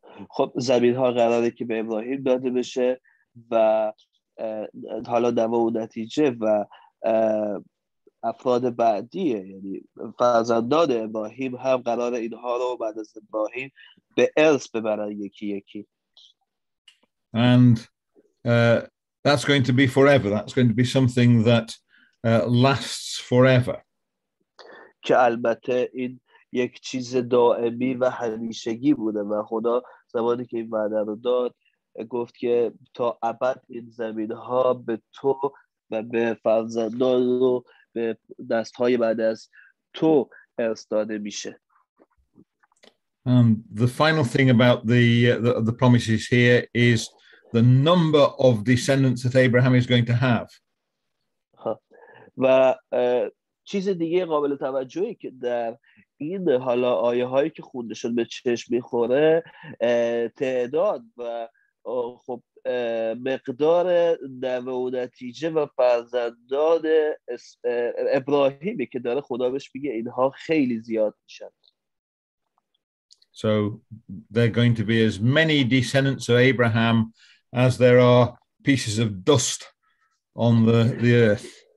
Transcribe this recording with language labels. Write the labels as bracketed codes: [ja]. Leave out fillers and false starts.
[fa] خب زمین ها قراره که به ابراهیم داده بشه و حالا دوام و نتیجه و افراد بعدیه یعنی فرزندان ابراهیم هم قرار اینها رو بعد از ابراهیم به ارث ببرن یکی یکی. [en] And that's going to be forever. That's going to be something that lasts forever. [fa] که البته این یک چیز دائمی و همیشگی بوده و خدا زمانی که این وعده رو داد گفت که تا ابد این زمین ها به تو و به فرزندان و به دست های بعد از تو ارث داده میشه. [en] The final thing about the promises here is the number of descendants that Abraham is going to have. [fa] و چیز دیگه قابل توجهی که در این حالا آیه هایی که خونده شد به چشم میخوره تعداد و خب مقدار نوه و نتیجه و فرزندان ابراهیمی که داره خدا بهش میگه اینها خیلی زیاد میشن. [en] So there are going to be as many descendants of Abraham as there are pieces of dust on the earth.